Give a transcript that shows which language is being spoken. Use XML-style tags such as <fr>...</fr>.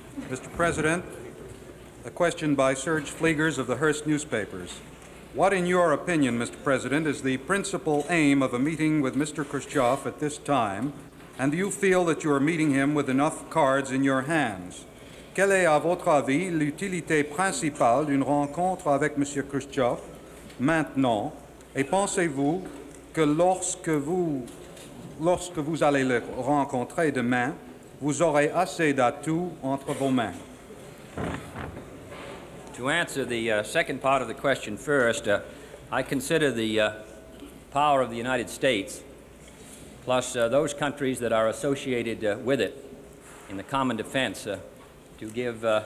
<en>Mr. President, a question by Serge Fliegers of the Hearst newspapers. What, in your opinion, Mr. President, is the principal aim of a meeting with Mr. Khrushchev at this time? And do you feel that you are meeting him with enough cards in your hands?</en> <fr>Quelle est, à votre avis, l'utilité principale d'une rencontre avec M. Khrushchev maintenant? Et pensez-vous que lorsque vous allez le rencontrer demain, vous aurez assez d'atouts entre vos mains?</fr> <en>To answer the second part of the question first, I consider the power of the United States, plus those countries that are associated with it in the common defense, to give</en>